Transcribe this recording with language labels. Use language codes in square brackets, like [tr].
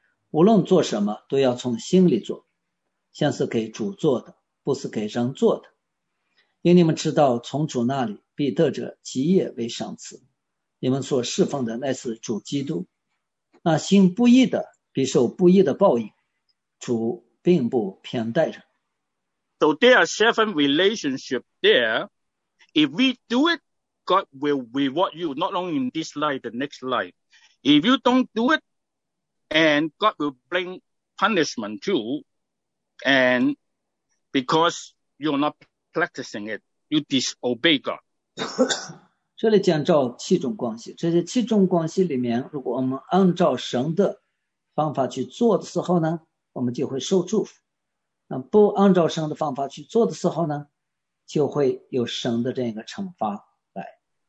[zh] 无论做什么都要从心里做，像是给主做的，不是给人做的，因你们知道从主那里必得着基业为赏赐。你们所侍奉的乃是主基督，那行不义的必受不义的报应，主并不偏待人。 [en] So there are seven relationships there. If we do it, God will reward you, not only in this life, the next life. If you don't do it, and God will bring punishment too, and because you're not practicing it, you disobey God. [zh] 这里讲到七种关系，这些七种关系里面，如果我们按照神的方法去做的时候呢，我们就会受祝福。不按照神的方法去做的时候呢，就会有神的这样一个惩罚来。